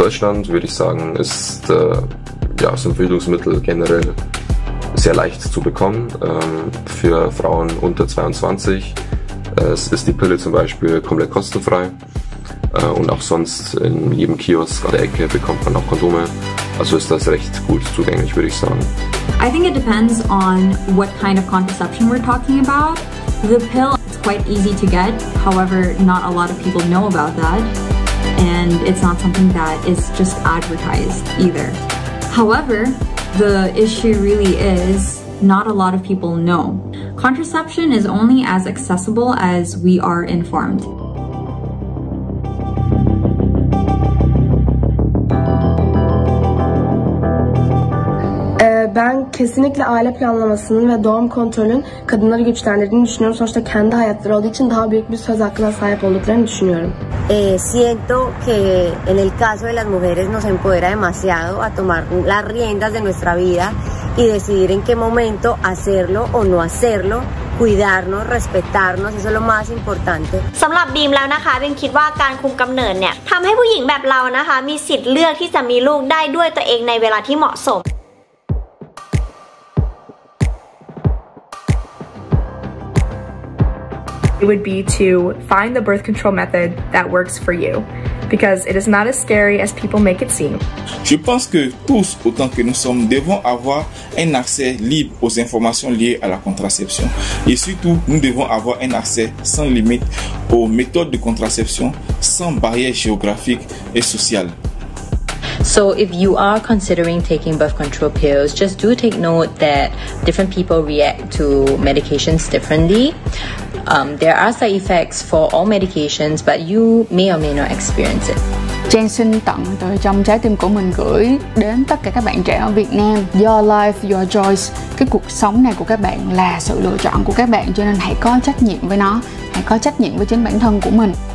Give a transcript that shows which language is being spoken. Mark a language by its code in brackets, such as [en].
[de] Deutschland, würde ich sagen, ist so ein Verhütungsmittel generell sehr leicht zu bekommen für Frauen unter 22. Es ist die Pille zum Beispiel komplett kostenfrei und auch sonst in jedem Kiosk an der Ecke bekommt man auch Kondome. Also ist das recht gut zugänglich, würde ich sagen. [en] I think it depends on what kind of contraception we're talking about. The pill is quite easy to get, however, not a lot of people know about that. And it's not something that is just advertised either. However, the issue really is not a lot of people know. Contraception is only as accessible as we are informed. [tr] Ben kesinlikle aile planlamasının ve doğum kontrolünün kadınları güçlendirdiğini düşünüyorum. Sonuçta kendi hayatları olduğu için daha büyük bir söz hakkına sahip olduklarını düşünüyorum. [es] Siento que en el caso de las mujeres nos empodera demasiado a tomar las riendas de nuestra vida y decidir en qué momento hacerlo o no hacerlo. Cuidarnos, respetarnos, eso es lo más importante. [th] สำหรับบีมแล้วนะคะบีมคิดว่าการคุมกำเนิดเนี่ยทำให้ผู้หญิงแบบเรานะคะมีสิทธิ์เลือกที่จะมีลูกได้ด้วยตัวเองในเวลาที่เหมาะสม [en] It would be to find the birth control method that works for you, because it is not as scary as people make it seem. [fr] Je pense que tous, autant que nous sommes, devons avoir un accès libre aux informations liées à la contraception. Et surtout, nous devons avoir un accès sans limite aux méthodes de contraception, sans barrières géographiques et sociales. [en] So if you are considering taking birth control pills, just do take note that different people react to medications differently. There are side effects for all medications, but you may or may not experience it. [vi] Jen xin tặng từ trong trái tim của mình gửi đến tất cả các bạn trẻ ở Việt Nam. [en] Your life, your choice. [vi] Cái cuộc sống này của các bạn là sự lựa chọn của các bạn, cho nên hãy có trách nhiệm với nó. Hãy có trách nhiệm với chính bản thân của mình.